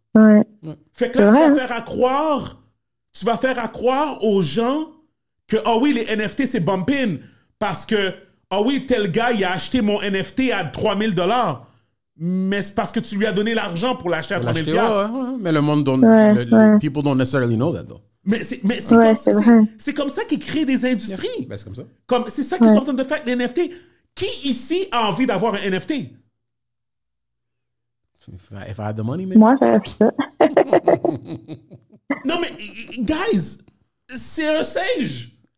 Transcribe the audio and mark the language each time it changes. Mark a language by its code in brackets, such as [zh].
[fr] Ouais. Fait que là, tu vas faire à croire... Tu vas faire à croire aux gens que, ah oh oui, les NFT, c'est bumping parce que, ah oh oui, tel gars, il a acheté mon NFT à 3 000 $. Mais c'est parce que tu lui as donné l'argent pour l'acheter à 3 000 $. Mais le monde, les [en] people don't necessarily know that, though. [fr] Mais c'est comme ça qu'ils créent des industries. [en] Yeah. [fr] Ben, c'est comme ça. C'est ça qu'ils sont en train de faire avec les NFT. Qui ici a envie d'avoir un NFT? [en] If I had the money, maybe. [fr] Moi, j'ai acheté ça. Non, mais, guys, c'est un singe.